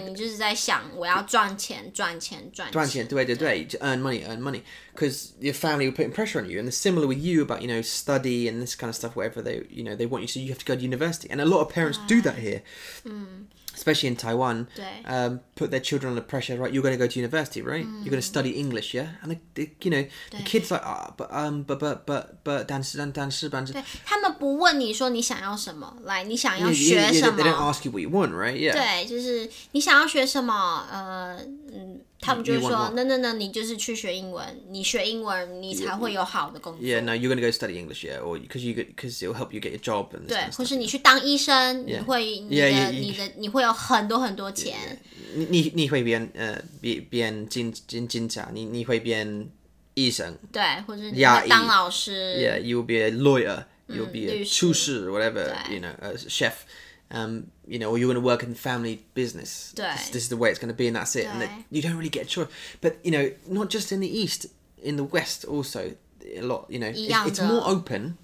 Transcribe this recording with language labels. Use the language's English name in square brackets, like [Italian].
[Chinese] 对，你就是在想我要赚钱，赚钱，赚钱。赚钱，对对对，就 [English] earn money, because your family were putting pressure on you, and similar with you about, you know, study and this kind of stuff, whatever they, you know, they want you, so you have to go to university. And a lot of parents do that here. Especially in Taiwan, put their children under pressure, right? You're going to go to university, right? You're going to study English, yeah? And, you know, the kids like, ah, but, [Chinese] 但是, 对, 他们不问你说你想要什么, like, 你想要学什么。 [English] They don't ask you what you want, right? Yeah. [Chinese] 对,就是你想要学什么,他们就说, no, 你就是去学英文,你学英文,你才会有好的工作。 [English] Yeah, no, you're going to go study English, yeah, or because it'll help you get your job and this kind of stuff. [Chinese] 对,或是你去当医生, 你会有很多很多钱。你会变警察,你会变医生。对,或是你会当老师。 [English] Yeah, you'll be a lawyer, you'll be a 厨师, whatever, you know, a chef. You know, or you're going to work in the family business. This is the way it's going to be, and that's it. And you don't really get a choice. But, you know, not just in the East, in the West also, a lot, you know, it's more open.